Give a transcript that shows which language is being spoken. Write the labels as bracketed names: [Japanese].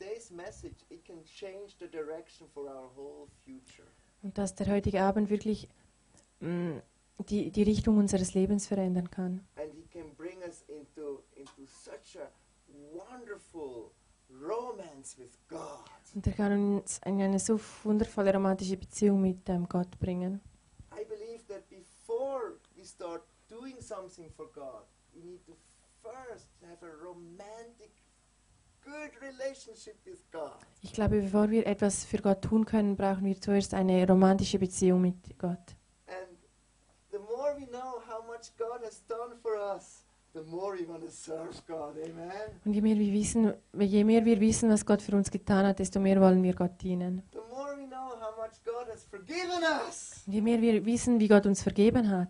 [English] Message, it can change the direction for our whole future. [German] Und dass der heutige Abend wirklich die Richtung unseres Lebens verändern kann. [English] And he can bring us into such a wonderful romance with God. [German] Und er kann uns in eine so wundervolle romantische Beziehung mit Gott bringen. [English] I believe that before we start doing something for God, we need to first have a romantic good relationship with God. [German] Ich glaube, bevor wir etwas für Gott tun können, brauchen wir zuerst eine romantische Beziehung mit Gott. [English] And the more we know how much God has done for us, the more we want to serve God. Amen. [German] Und je mehr wir wissen, was Gott für uns getan hat, desto mehr wollen wir Gott dienen. [English] The more we know how much God has forgiven us. [German] Und je mehr wir wissen, wie Gott uns vergeben hat.